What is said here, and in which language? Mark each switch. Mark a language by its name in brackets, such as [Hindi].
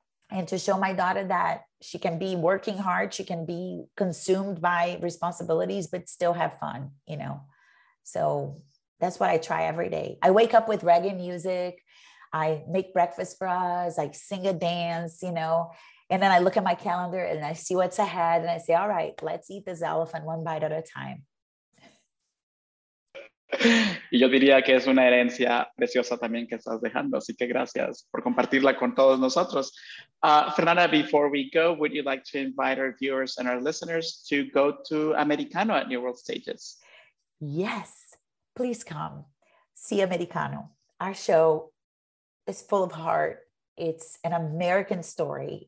[English] And to show my daughter that she can be working hard, she can be consumed by responsibilities, but still have fun, you know? So that's what I try every day. I wake up with reggae music. I make breakfast for us. I sing a dance, you know? And then I look at my calendar and I see what's ahead and I say, all right, let's eat this elephant one bite at a time. [Spanish] Yo diría que es una herencia preciosa también que estás dejando, así que gracias por compartirla con todos nosotros. [English] Fernanda, before we go, would you like to invite our viewers and our listeners to go to Americano at New World Stages? Yes, please come see Americano. Our show is full of heart. It's an American story.